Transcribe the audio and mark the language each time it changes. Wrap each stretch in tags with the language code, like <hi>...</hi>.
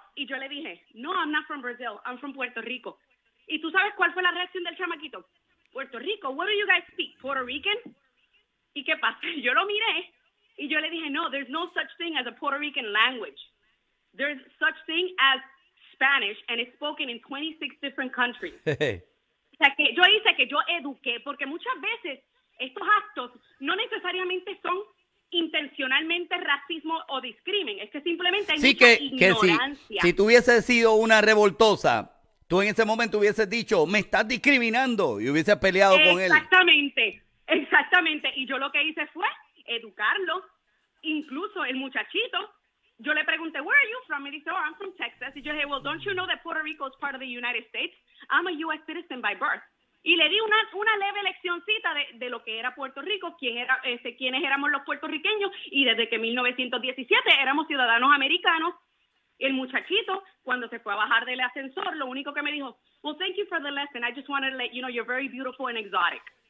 <es>Y yo le dije, no,</es> <en>I'm not from Brazil, I'm from Puerto Rico.</en> <es>¿Y tú sabes cuál fue la reacción del chamaquito?</es> <en>Puerto Rico, what do you guys speak, Puerto Rican?</en> <es>¿Y qué pasa? Yo lo miré y yo le dije, no,</es> <en>there's no such thing as a Puerto Rican language. There's such thing as Spanish and it's spoken in 26 different countries.</en> <es>O sea, que yo hice que yo eduqué, porque muchas veces estos actos no necesariamente son intencionalmente racismo o discrimen, es que simplemente hay mucha ignorancia. Que si tuviese sido una revoltosa, tú en ese momento hubieses dicho, me estás discriminando, y hubieses peleado con él. Exactamente, y yo lo que hice fue educarlo. Incluso el muchachito, yo le pregunté,</es> <en>where are you from?</en> <es>Me dice,</es> <en>oh, I'm from Texas.</en> <es>Y yo dije,</es> <en>well, don't you know that Puerto Rico is part of the United States? I'm a U.S. citizen by birth.</en> <es>Y le di una leve leccioncita de lo que era Puerto Rico, quiénes éramos los puertorriqueños, y desde que 1917 éramos ciudadanos americanos. El muchachito, cuando se fue a bajar del ascensor, lo único que me dijo,</es> <en>well, thank you for the lesson, I just wanted to let you know you're very beautiful and exotic.</en>